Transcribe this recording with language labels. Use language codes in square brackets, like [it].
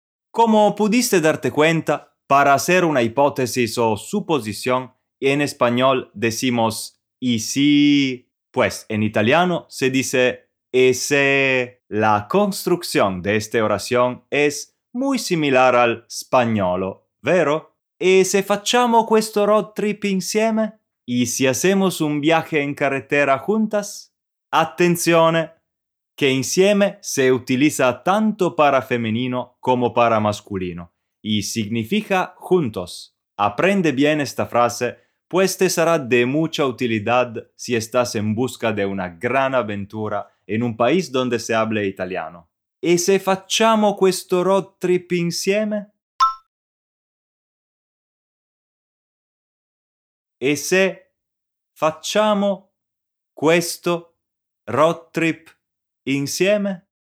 [es] Como pudiste darte cuenta, para hacer una hipótesis o suposición, en español decimos y si, pues en italiano se dice e se. La construcción de esta oración es muy similar al [it] spagnolo, ¿vero? [es] ¿Y si [it] facciamo questo road trip insieme? [es] ¿Y si hacemos un viaje en carretera juntas? [it] ¡Attenzione! [es] Que insieme se utiliza tanto para femenino como para masculino, y significa juntos. Aprende bien esta frase, pues te será de mucha utilidad si estás en busca de una gran aventura en un país donde se hable italiano. ¿Y si [it] facciamo questo road trip insieme? [es] ¿Y si [it] facciamo questo road trip insieme?